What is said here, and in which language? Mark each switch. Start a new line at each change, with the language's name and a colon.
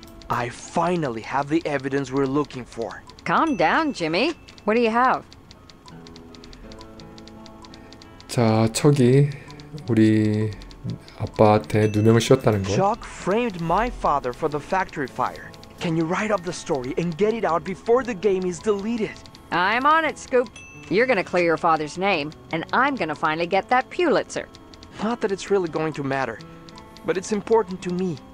English: I finally have the evidence we're looking for. Calm down, Jimmy. What do you have?
Korean: 자, 척이 우리 아빠한테 누명을 씌웠다는 거.
English: Chuck framed my father for the factory fire. Can you write up the story and get it out before the game is deleted? I'm on it, Scoop. You're gonna clear your father's name, and I'm gonna finally get that Pulitzer. Not that it's really going to matter, but it's important to me.